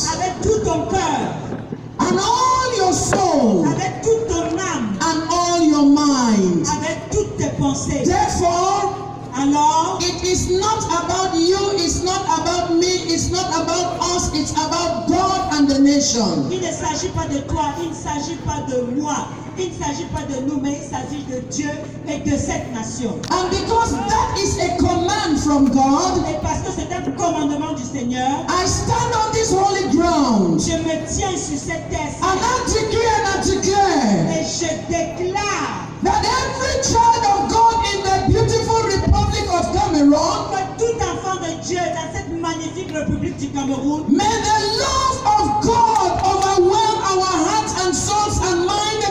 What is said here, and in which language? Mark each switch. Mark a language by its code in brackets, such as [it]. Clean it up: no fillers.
[fr] Avec tout ton cœur. [en] And all your soul. [fr] Avec toute ton âme. [en] And all your mind. [fr] Avec toutes tes pensées. [en] Therefore, [fr] alors, [en] it is not about you, it's not about me, it's not about us, it's about God and the nation. [fr] Il ne s'agit pas de toi, il ne s'agit pas de moi. Il ne s'agit pas de nous, mais il s'agit de Dieu et de cette nation. [en] And because that is a command from God, [fr] et parce que c'est un commandement du Seigneur, [en] I stand on this holy ground. [fr] Je me tiens sur cette terre. [en] And I declare and I declare. [fr] Et je déclare. [en] That every child of God in the beautiful Republic of Cameroon. [fr] Que tout enfant de Dieu dans cette magnifique République du Cameroun. [en] May the love of God overwhelm our hearts and souls and mind.